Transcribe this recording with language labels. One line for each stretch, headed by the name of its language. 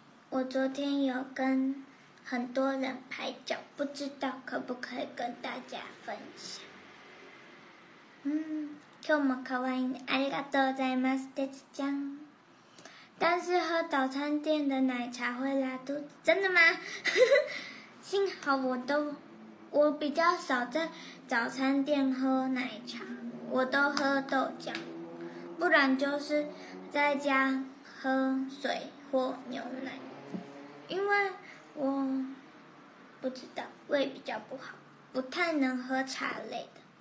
Chinese: 我昨天有跟很多人拍照，不知道可不可以跟大家分享。
Japanese: 今日も可愛いね、ありがとうございます、てつちゃん。
Chinese: 但是喝早餐店的奶茶会拉肚子，真的吗？幸好我比较少在早餐店喝奶茶，我都喝豆浆，不然就是在家喝水或牛奶，因为我不知道胃比较不好，不太能喝茶类的。